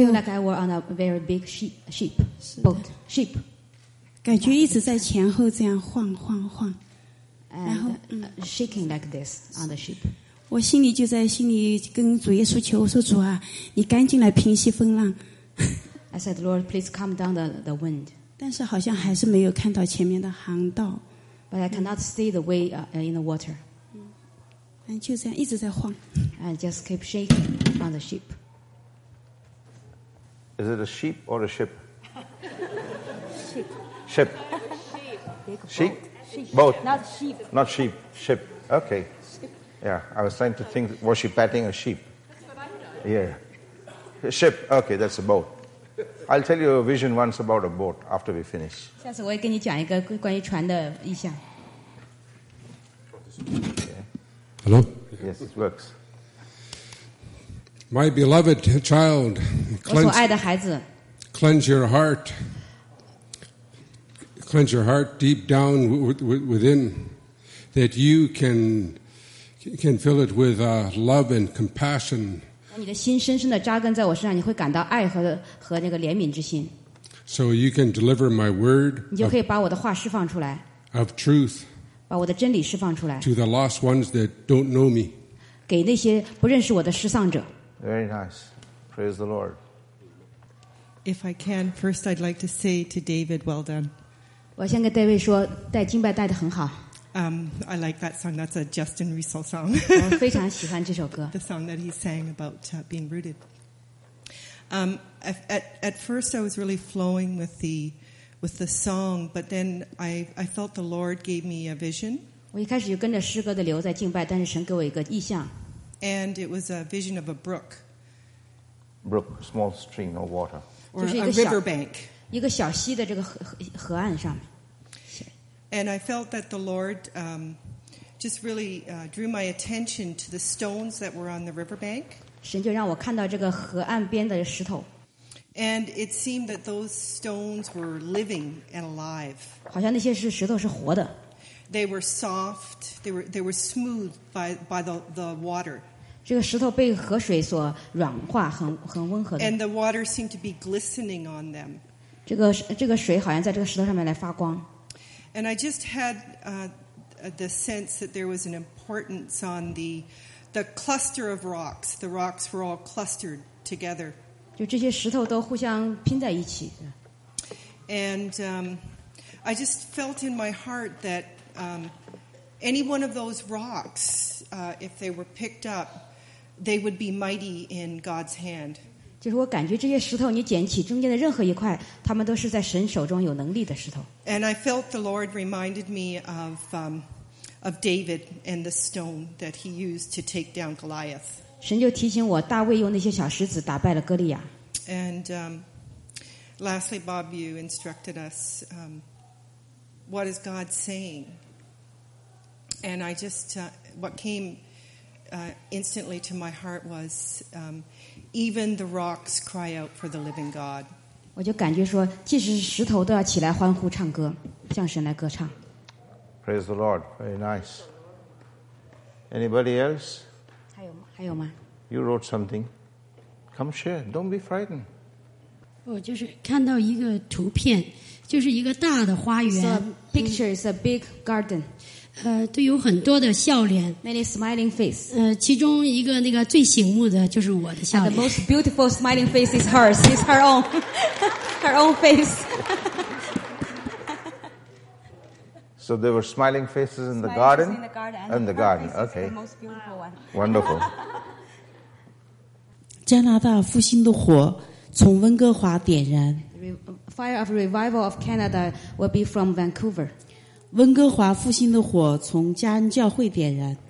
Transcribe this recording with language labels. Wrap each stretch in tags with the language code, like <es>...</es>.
<en>I feel like I were on a very big ship. Boat. Ship.</en> <zh>感觉一直在前后这样晃。</zh> <en>And</en> <zh>然后</zh> <en>shaking like this on the ship.</en> <zh>我心里就在心里跟主耶稣求，我说主啊，你赶紧来平息风浪。</zh> <en>I said, Lord, please calm down the wind.</en> <zh>但是好像还是没有看到前面的航道。</zh> <en>But I cannot see the way in the water.</en> <zh>就这样一直在晃。</zh> <en>And just keep shaking on the ship. Is it a sheep or a ship? Ship. Ship. Sheep. Boat. Not sheep. Not sheep. Ship. Okay. Yeah, I was trying to think, was she patting a sheep? That's what I know. Yeah. Ship. Okay, that's a boat. I'll tell you a vision once about a boat after we finish.</en> <zh>下次我也跟你讲一个关于船的意象。</zh> <en>Hello? Yes, it works. My beloved child, cleanse your heart. Cleanse your heart deep down within that you can fill it with love and compassion.</en> <zh>你的心深深地扎根在我身上，你会感到爱 和那个怜悯之心。</zh> <en>So you can deliver my word.</en> <zh>你就可以把我的话释放出来。</zh> <en>Of truth.</en> <zh>把我的真理释放出来。</zh> <en>To the lost ones that don't know me.</en> <zh>给那些不认识我的失丧者。</zh> <en>Very nice. Praise the Lord. If I can, first I'd like to say to David, well done.</en> <zh>我先跟 David 说，带敬拜带得很好。</zh> <en>I like that song. That's a Justin Russell song.</en> <zh>I 非常喜欢这首歌。</zh> <en>The song that he sang about being rooted. At first, I was really flowing with the song, but then I felt the Lord gave me a vision.</en> <zh>我一开始就跟着诗歌的流在敬拜，但是神给我一个意象。</zh> <en>And it was a vision of a brook. Brook, small stream or water. Or a river bank.</en> <zh>一个小溪的这个河岸上面。</zh> <en>And I felt that the Lord just really drew my attention to the stones that were on the river bank.</en> <zh>神就让我看到这个河岸边的石头。</zh> <en>And it seemed that those stones were living and alive.</en> <zh>好像那些石头是活的。</zh> <en>They were soft. They were smooth by the water.</en> <zh>这个石头被河水所软化，很温和的。</zh> <en>And the water seemed to be glistening on them.</en> <zh>这个水好像在这个石头上面来发光。</zh> <en>And I just had the sense that there was an importance on the cluster of rocks. The rocks were all clustered together.</en> <zh>就这些石头都互相拼在一起。</zh> <en>And I just felt in my heart that. Any one of those rocks, if they were picked up, they would be mighty in God's hand.</en> <zh>就是我感觉这些石头，你捡起中间的任何一块，他们都是在神手中有能力的石头。</zh> <en>And I felt the Lord reminded me of David and the stone that he used to take down Goliath.</en> <zh>神就提醒我，大卫用那些小石子打败了哥利亚。</zh> <en>And lastly, Bob, you instructed us. What is God saying? And I just, what came instantly to my heart was, even the rocks cry out for the living God.</en> <zh>我就感觉说，即使石头都要起来欢呼唱歌，向神来歌唱。</zh> <en>Praise the Lord. Very nice. Anybody else?</en> <zh>还有吗？</zh> <en>You wrote something. Come share. Don't be frightened.</en> <zh>我就是看到一个图片。就是一个大的花园。</zh> <en>So, picture is a big garden.</en> <zh>都有很多的笑脸。</zh> <en>Many smiling faces.</en> <zh>其中一个那个最醒目的就是我的笑脸。</zh> <en>And、the most beautiful smiling face is hers. It's her own, her own face. So there were smiling faces in the garden. In the garden. Okay. The most beautiful one. Wonderful.</en> <zh>加拿大复兴的火从温哥华点燃。</zh> <en>Fire of revival of Canada will be from Vancouver.</en> <zh>温哥华复兴的火从加恩教会点燃。</zh>